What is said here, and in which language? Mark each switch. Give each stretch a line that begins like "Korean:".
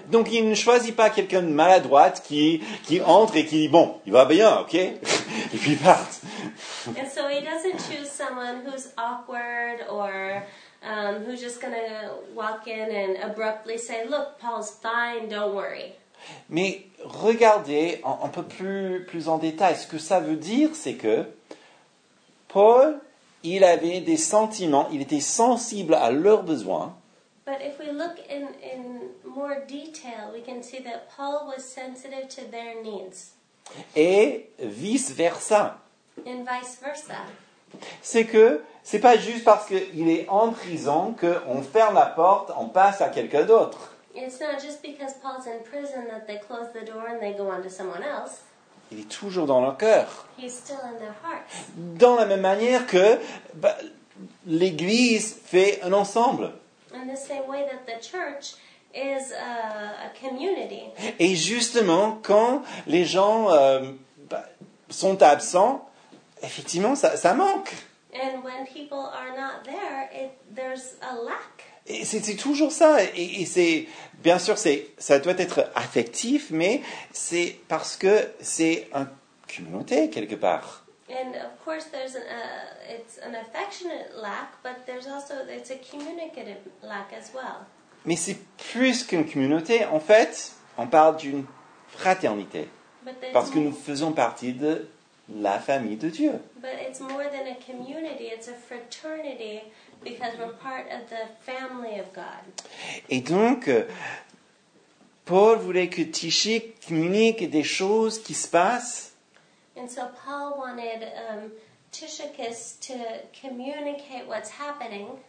French: Donc il ne choisit pas quelqu'un de maladroite qui entre et qui dit, bon, il va bien, ok? Et puis il part.
English: And so he doesn't choose someone who's awkward or who's just gonna walk in and abruptly say, look, Paul's fine, don't worry.
French: Mais regardez un peu plus en détail. Ce que ça veut dire, c'est que Paul, il avait des sentiments, il était sensible à leurs besoins.
English: But if we look in more detail, we can see that Paul was sensitive to their needs.
French: Et vice versa.
English: And vice versa.
French: c'est que ce n'est pas juste parce qu'il est en prison qu'on ferme la porte, on passe à quelqu'un d'autre.
English: It's not just because Paul's in prison that they close the door and they go on to someone else.
French: Il est toujours dans leur cœur.
English: He's still in their hearts.
French: Dans la même manière que l'Église fait un ensemble.
English: In the same way that the church is a community.
French: Et justement, quand les gens sont absents, effectivement, ça manque.
English: And when people are not there, there's a lack.
French: Et c'est toujours ça, et c'est bien sûr ça doit être affectif, mais c'est parce que c'est une communauté quelque part.
English: And of course there's it's an affectionate lack, but there's also it's a communicative lack as well.
French: Mais c'est plus qu'une communauté, en fait, on parle d'une fraternité, parce que nous faisons partie de la famille de Dieu.
English: But it's more than a community, it's a fraternity. Because we're part of the family of God.
French: Et donc, Paul voulait que Tychic communique des choses qui se passent.
English: And so Paul wanted Tychicus to communicate what's happening.